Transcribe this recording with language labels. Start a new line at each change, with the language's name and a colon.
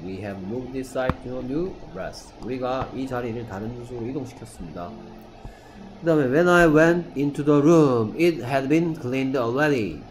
English: We have moved this site to a new address.
Korean: 우리가 이 자리를 다른 주소로 이동시켰습니다. 그 다음에
English: When I went into the room, it had been cleaned already.